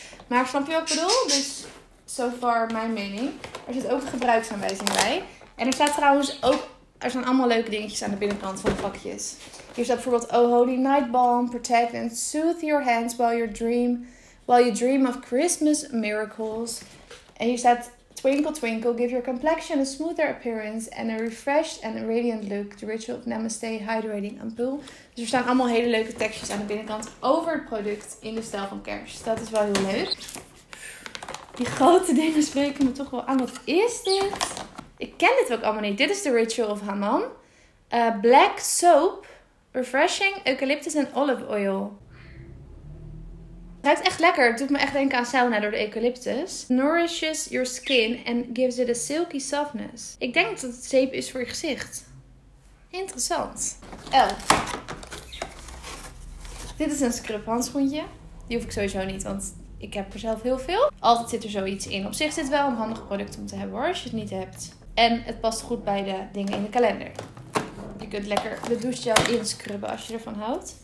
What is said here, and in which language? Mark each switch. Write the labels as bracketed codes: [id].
[nl] Maar snap je wat ik bedoel? Dus [en] so far [nl] mijn mening. Er zit ook een gebruiksaanwijzing bij. En er staat trouwens ook, er zijn allemaal leuke dingetjes aan de binnenkant van de vakjes. Hier staat bijvoorbeeld [en] Oh Holy Night Balm, protect and soothe your hands while you dream of Christmas miracles. [nl] En hier staat [en] Twinkle, twinkle, give your complexion a smoother appearance and a refreshed and a radiant look. The ritual of Namaste, hydrating and pool. [nl] Dus er staan allemaal hele leuke tekstjes aan de binnenkant over het product in de stijl van kerst. Dat is wel heel leuk. Die grote dingen spreken me toch wel aan. Wat is dit? Ik ken dit ook allemaal niet. Dit is de ritual of Hammam. [en] Black soap, refreshing, eucalyptus [nl] en [en] olive oil. [nl] Het ruikt echt lekker. Het doet me echt denken aan sauna door de eucalyptus. [en] Nourishes your skin and gives it a silky softness. [nl] Ik denk dat het zeep is voor je gezicht. Interessant. Oh. Dit is een scrub handschoentje. Die hoef ik sowieso niet, want ik heb er zelf heel veel. Altijd zit er zoiets in. Op zich zit het wel een handig product om te hebben hoor, als je het niet hebt. En het past goed bij de dingen in de kalender. Je kunt lekker de douchegel inscrubben als je ervan houdt.